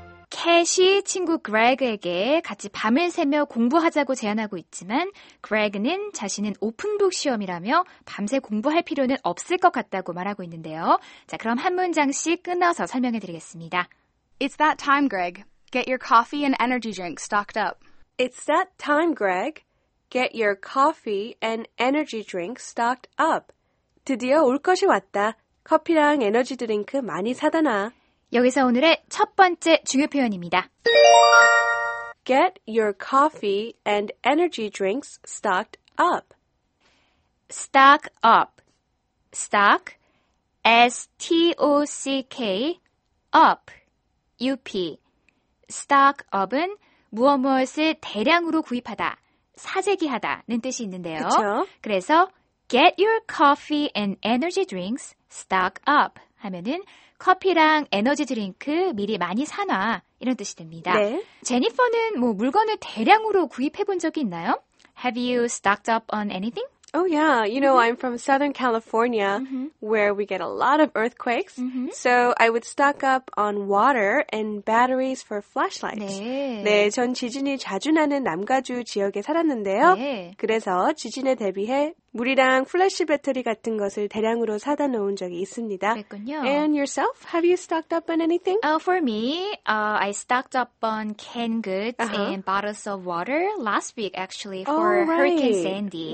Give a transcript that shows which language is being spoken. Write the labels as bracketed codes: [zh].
[ko] 캣이 친구 그렉에게 같이 밤을 새며 공부하자고 제안하고 있지만 그렉은 자신은 오픈북 시험이라며 밤새 공부할 필요는 없을 것 같다고 말하고 있는데요. 자, 그럼 한 문장씩 끊어서 설명해 드리겠습니다. [en] It's that time, Greg. Get your coffee and energy drink stocked up. It's that time, Greg. Get your coffee and energy drink stocked up. [ko] 드디어 올 것이 왔다. 커피랑 에너지 드링크 많이 사다 놔. 여기서 오늘의 첫 번째 중요 표현입니다. [en] Get your coffee and energy drinks stocked up. Stock up. Stock. S-T-O-C-K. Up. U-P. [ko] Stock up은 무엇무엇을 대량으로 구입하다, 사재기하다는 뜻이 있는데요. 그쵸? 그래서 [en] get your coffee and energy drinks stock up [ko] 하면은 커피랑 에너지 드링크 미리 많이 사놔 이런 뜻이 됩니다. 네. 제니퍼는 뭐 물건을 대량으로 구입해 본 적이 있나요? [en] Have you stocked up on anything? Oh yeah, you know I'm from Southern California where we get a lot of earthquakes. So I would stock up on water and batteries for flashlights. [ko] 네, 네 전 지진이 자주 나는 남가주 지역에 살았는데요. 네. 그래서 지진에 대비해 물이랑 플래시 배터리 같은 것을 대량으로 사다 놓은 적이 있습니다. 그랬군요. [en] And yourself? Have you stocked up on anything? For me, I stocked up on canned goods and bottles of water last week, actually, for Hurricane Sandy.